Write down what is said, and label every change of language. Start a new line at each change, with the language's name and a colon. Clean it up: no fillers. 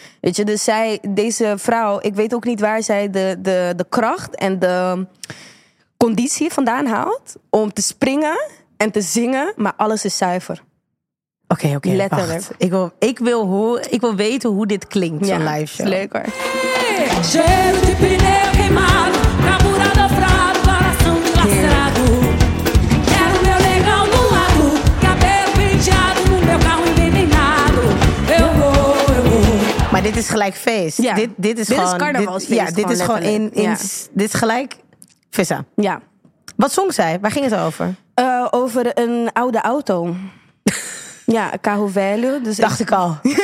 Dutch: Weet je, dus zij, deze vrouw, ik weet ook niet waar zij de kracht en de conditie vandaan haalt om te springen en te zingen, maar alles is zuiver. Oké, letterlijk. Wacht. Ik wil weten hoe dit klinkt, zo'n live show. Leuk hoor.
Portuguese: Cheiro de pneu queimado, cabura dobrado, coração dilacerado. Quero meu negão no lado, cabelo penteado, no meu carro envenenado. Eu vou, eu vou.
Dutch: Maar dit is gelijk feest. Ja. Dit is gewoon, carnavalsfeest. Ja, dit is gewoon in dit is gelijk Vissa. Ja. Wat zong zij? Waar ging het over? Over een oude auto. Ja,
Portuguese: carro velho.
Dutch: Dus dacht ik al.